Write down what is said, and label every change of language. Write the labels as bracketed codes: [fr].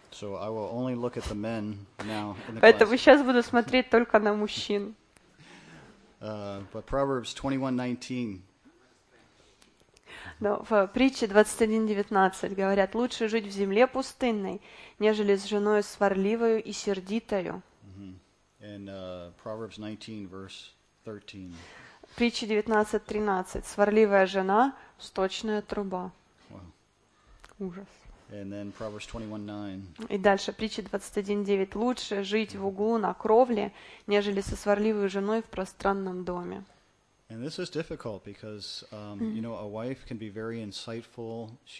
[en] So I will only look at the men now. [ru] Поэтому сейчас буду смотреть только на мужчин. [en] But Proverbs 21:19. [ru] Но в притче 21.19 говорят, лучше жить в земле пустынной, нежели с женой сварливою и сердитою. [en] And Proverbs 19, verse 13. [ru] Притча 19.13. Сварливая жена – сточная труба. [en] Wow. [ru] Ужас. [en] And then Proverbs 21.9. [ru] И дальше, притча 21.9. Лучше жить в углу на кровле, нежели со сварливой женой в пространном доме. [en] And this is difficult because, you know, a wife can be very insightful.